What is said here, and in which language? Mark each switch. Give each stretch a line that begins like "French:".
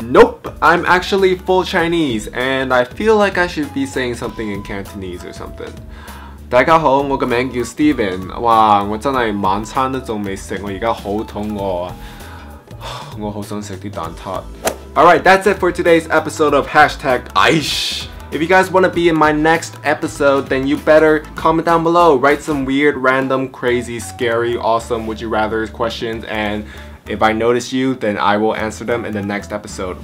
English: Nope, I'm actually full Chinese and I feel like I should be saying something in Cantonese or something.
Chinese: 大家好，我的名字叫 Steven。哇，我真的晚餐都还没吃，我现在好肚饿，我好想吃蛋挞。
English: Alright, that's it for today's episode of #Aish. If you guys want to be in my next episode, then you better comment down below. Write some weird, random, crazy, scary, awesome, would you rather questions, andIf I notice you, then I will answer them in the next episode.